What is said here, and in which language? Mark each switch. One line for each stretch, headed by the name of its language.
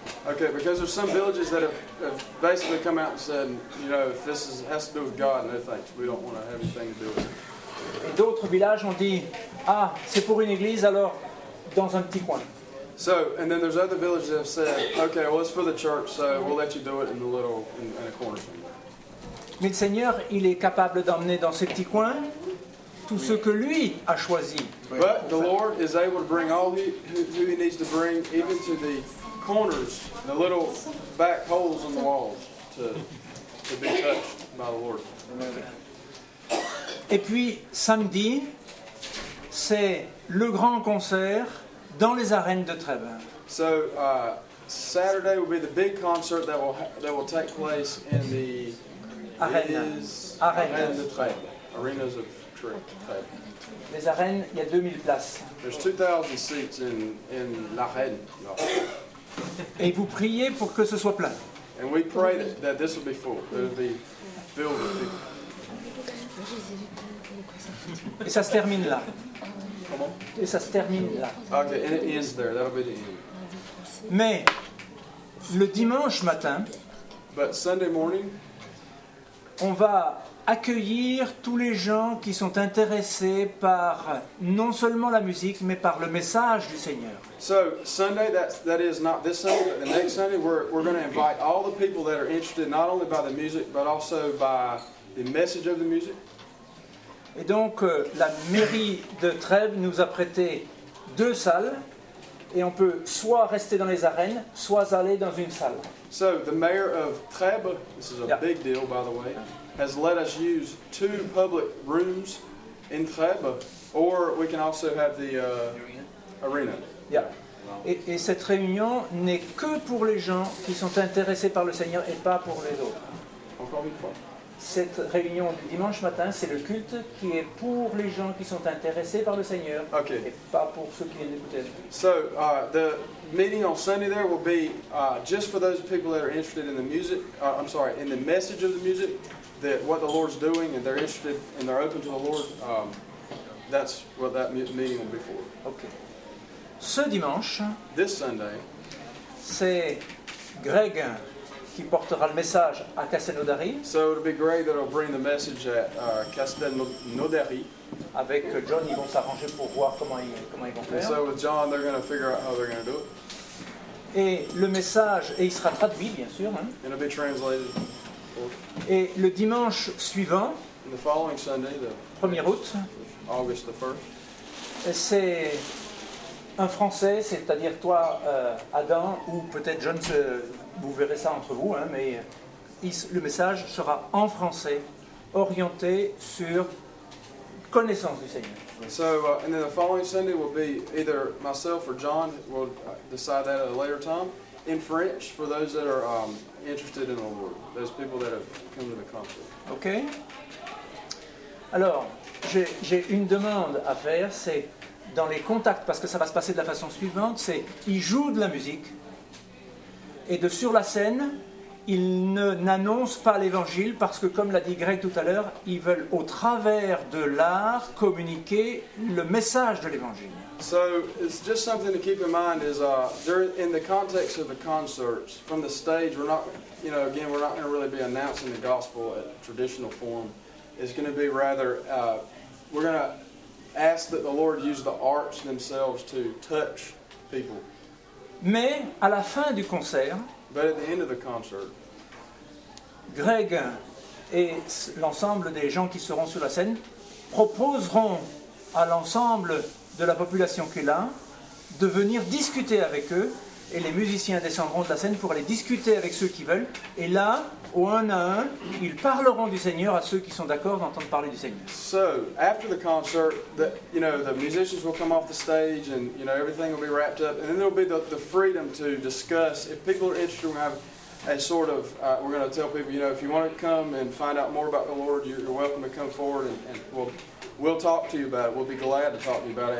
English: Okay, because there's some villages that have basically come out and said, you know, if this has to do with God, no thanks, we don't want to have anything to do with it.
French: Et d'autres villages ont dit, ah, c'est pour une église, alors dans un petit coin.
English: So, and then there's other villages that have said, okay, well, it's for the church, so we'll let you do it in a corner.
French: Mais le Seigneur, il est capable d'emmener dans ces petits coins tout ce que lui a choisi.
English: But the Lord is able to bring all who he needs to bring, even to the corners, the little back holes in the walls, to be touched by the Lord.
French: Et puis samedi, c'est le grand concert dans les arènes de Trèves.
English: So Saturday will be the big concert that will take place in the
French: arènes
English: de Trèves, arenas of Trèves.
French: Les arènes, il y a 2000 places.
English: There's 2000 seats in l'arène. No.
French: Et vous priez pour que ce soit plein.
English: And we pray that this will be full. It will be filled with people.
French: Et ça se termine là. Et ça se termine là.
English: Okay, and it ends there. That'll be the end.
French: Mais le dimanche matin,
English: but Sunday morning,
French: on va accueillir tous les gens qui sont intéressés par non seulement la musique, mais par le message du Seigneur.
English: So Sunday, that is not this Sunday, but the next Sunday, we're going to invite all the people that are interested not only by the music, but also by the message of the music.
French: Et donc la mairie de Trèves nous a prêté deux salles et on peut soit rester dans les arènes, soit aller dans une salle.
English: So the mayor of Trèves, this is a big deal by the way, has let us use two public rooms in Trèves, or we can also have the arena. Yeah.
French: Et cette réunion n'est que pour les gens qui sont intéressés par le Seigneur et pas pour les autres. Encore une fois. Cette réunion du dimanche matin, c'est le culte qui est pour les gens qui sont intéressés par le Seigneur,
English: okay,
French: et pas pour ceux qui viennent d'écouter.
English: So the meeting on Sunday there will be just for those people that are interested in the music. I'm sorry, in the message of the music, that what the Lord's doing, and they're interested and they're open to the Lord. That's what that meeting will be for.
French: Okay. Ce dimanche,
English: this Sunday,
French: c'est Greg qui portera le message à Castelnaudary.
English: So it'll be great that I'll bring the message at Castelnaudary.
French: Avec John, ils vont s'arranger pour voir comment ils vont faire.
English: So with John, they're going to figure out how they're going to do it.
French: Et le message, et il sera traduit, bien sûr. Hein.
English: And it'll be translated.
French: Et le dimanche suivant,
English: and the following Sunday, the
French: 1er août,
English: August the 1st,
French: c'est un Français, c'est-à-dire toi, Adam, ou peut-être John, vous verrez ça entre vous, hein, mais le message sera en français, orienté sur connaissance du Seigneur.
English: So, and then the following Sunday will be either myself or John, we'll decide that at a later time, in French, for those that are interested in the Lord, those people that have come to the conference. Ok.
French: Alors, j'ai une demande à faire, c'est dans les contacts, parce que ça va se passer de la façon suivante, c'est ils jouent de la musique, et de sur la scène, ils n'annoncent pas l'évangile, parce que comme l'a dit Greg tout à l'heure, ils veulent au travers de l'art communiquer le message de l'évangile.
English: So, it's just something to keep in mind is, in the context of the concerts, from the stage, we're not, you know, again, we're not going to really be announcing the gospel in traditional form. It's going to be rather, we're going to ask that the Lord use the arts themselves to touch people.
French: Mais à la fin du concert,
English: but at the end of the concert,
French: Greg et l'ensemble des gens qui seront sur la scène proposeront à l'ensemble de la population qui est là de venir discuter avec eux, et les musiciens descendront de la scène pour aller discuter avec ceux qui veulent, et là, au un à un, ils parleront du Seigneur à ceux qui sont d'accord d'entendre parler du Seigneur.
English: So, after the concert, you know, the musicians will come off the stage and, you know, everything will be wrapped up, and then there'll be the freedom to discuss. If people are interested, we're going to have a sort of, we're going to tell people, you know, if you want to come and find out more about the Lord, you're welcome to come forward and we'll talk to you about it. We'll be glad to talk to you about it.